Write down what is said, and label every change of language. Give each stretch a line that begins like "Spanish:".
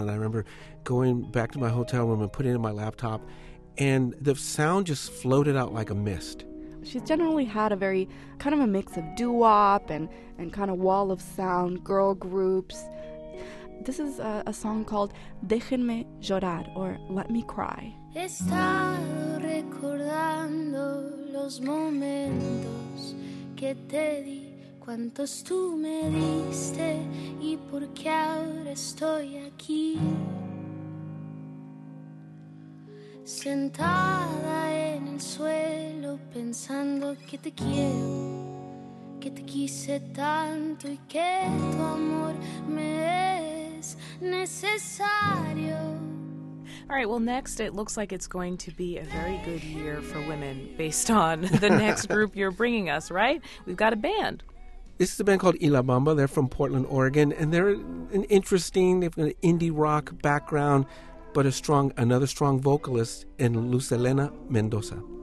English: And I remember going back to my hotel room and putting it in my laptop, and the sound just floated out like a mist. She's generally had a very kind of a mix of doo-wop and kind of wall of sound, girl groups. This is a song called Déjenme Llorar, or Let Me Cry.
Spanish: He estado recordando los momentos que te di, cuántos tú me diste y por qué ahora estoy aquí. Sentada en el suelo pensando que te quiero, que te quise tanto y que tu amor me es necesario.
English: All right, well, next, it looks like it's going to be a very good year for women based on the next group you're bringing us, right? We've got a band. This is a band called Illa Bamba. They're from Portland, Oregon, and they're an interesting, they've got an indie rock background, but another strong vocalist in Lucelena Mendoza.